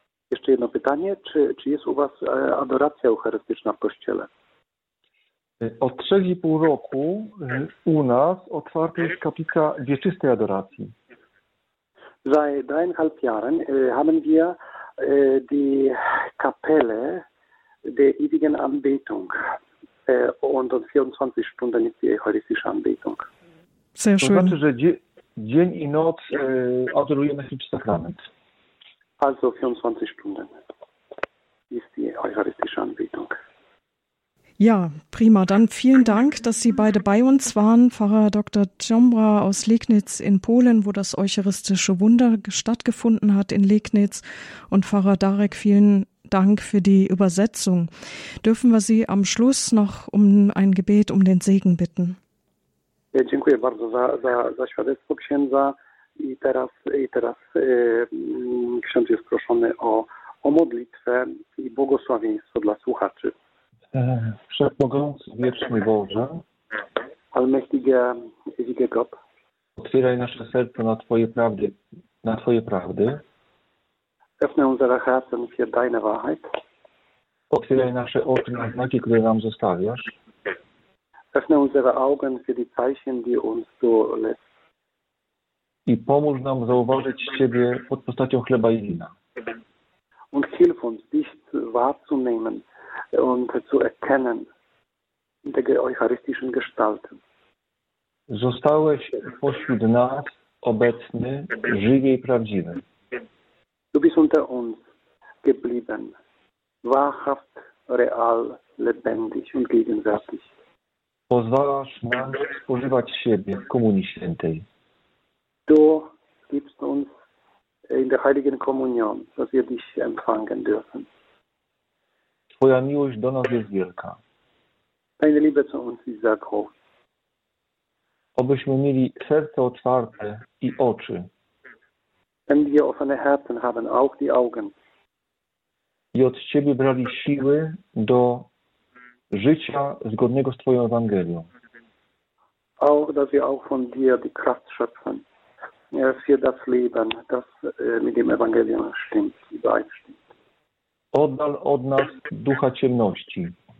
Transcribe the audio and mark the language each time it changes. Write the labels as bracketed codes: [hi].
[pl] Jeszcze jedno pytanie, czy jest u Was adoracja eucharystyczna w kościele? Od 3,5 roku u nas otwarta jest kaplica wieczystej adoracji. [de] Seit 3,5 Jahren haben wir die Kapelle der ewigen Anbetung und 24 Stunden ist die eucharistische Anbetung. Sehr schön. [pl] To znaczy, że dzień i noc adorujemy chrzest sakrament. [de] Also 24 Stunden ist die eucharistische Anbetung. Ja, prima. Dann vielen Dank, dass Sie beide bei uns waren. Pfarrer Dr. Ciombra aus Legnitz in Polen, wo das eucharistische Wunder stattgefunden hat in Legnitz. Und Pfarrer Darek, vielen Dank für die Übersetzung. Dürfen wir Sie am Schluss noch um ein Gebet um den Segen bitten? [pl] Ja, dziękuję bardzo za świadectwo księdza. I teraz ksiądz jest proszony o modlitwę i błogosławieństwo dla słuchaczy. Wszechmogący, wieczny Boże, [de] Allmächtiger, ewiger Gott, [pl] otwieraj nasze serca na Twoje prawdy, na Twoje prawdy. [de] Öffne unsere Herzen für deine Wahrheit. [pl] Otwieraj nasze oczy na znaki, które nam zostawiasz. [de] Öffne unsere Augen für die Zeichen, die uns du lässt. [pl] I pomóż nam zauważyć Ciebie pod postacią chleba i wina. [de] Und hilf uns, dich wahrzunehmen und zu erkennen in der eucharistischen Gestalt. [pl] Zostałeś pośród nas obecny, żywy i prawdziwy. [de] Du bist unter uns geblieben, wahrhaft, real, lebendig und gegenwärtig. [pl] Pozwalasz nam spożywać siebie w Komunii Świętej. [de] Du gibst uns in der Heiligen Kommunion, dass wir dich empfangen dürfen. [pl] Twoja miłość do nas jest wielka. [de] Deine Liebe zu uns ist sehr groß. [pl] Obyśmy mieli serce otwarte i oczy. [de] Wenn wir offene Herzen haben, auch die Augen. [pl] I od Ciebie brali siły do życia zgodnego z Twoją Ewangelią. [de] Auch, dass wir auch von dir die Kraft schöpfen. Für das Leben, das mit dem Evangelium stimmt, übereinstimmt. [pl] Oddal od nas ducha ciemności.